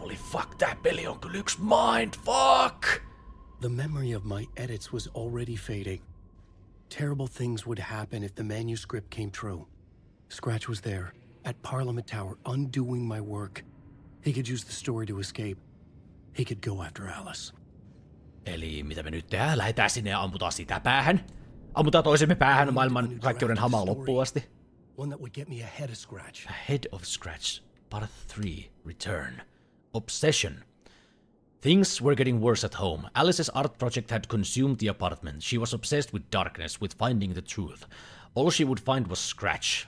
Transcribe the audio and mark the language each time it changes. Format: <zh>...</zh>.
<en>Holy fuck,</en> <fi>tää peli on kyllä yks</fi> <en>mind fuck! The memory of my edits was already fading. Terrible things would happen if the manuscript came true. Scratch was there, at Parliament Tower, undoing my work. He could use the story to escape. He could go after Alice.</en> <fi>Eli mitä me nyt tehdään? Lähetään sinne ja ammutaan sitä päähän? Ammutaan toisemme päähän maailman kaikkeuden hamaa loppuun asti?</fi> <en>One that would get me ahead of Scratch. Ahead of Scratch. Part 3. Return. Obsession. Things were getting worse at home. Alice's art project had consumed the apartment. She was obsessed with darkness, with finding the truth. All she would find was Scratch.</en>